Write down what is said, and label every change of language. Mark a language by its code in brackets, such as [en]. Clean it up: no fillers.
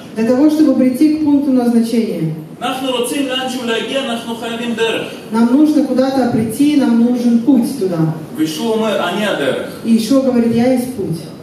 [ru] Для того, чтобы прийти к пункту назначения. [he] אנחנו רוצים לאנשהו להגיע, אנחנו חייבים דרך. [ru] Нам нужно куда-то прийти, нам нужен путь туда. И Иешуа говорит, я есть путь.